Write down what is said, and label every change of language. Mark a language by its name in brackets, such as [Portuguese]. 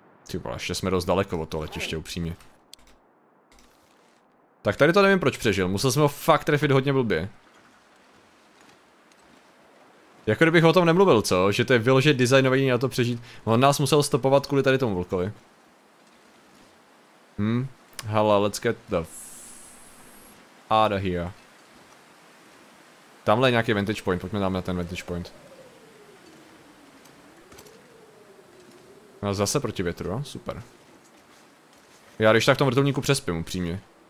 [Czech] Ty vole, ještě jsme dost daleko od toho letiště, upřímně. Tak tady to nevím, proč přežil, musel jsem ho fakt trefit hodně blbě. Jako kdybych o tom nemluvil, co? Že to je vyložit designovaný na to přežít. On nás musel stopovat kvůli tady tomu vlkovi. [English] Hele, let's get the out of here. [Czech] Tamhle je nějaký vantage point, pojďme dáme na ten vantage point. No zase proti větru, super. Já když tak v tom vrtulníku přespím, upřímně.